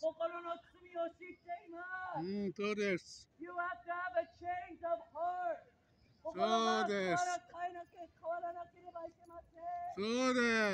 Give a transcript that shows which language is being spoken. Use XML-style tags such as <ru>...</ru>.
<ja>心の罪を知っています。うん、そうです。</ja> <en>You have to have a change of heart。</en> <ja>そうです。心が変わらなければいけません。</ja>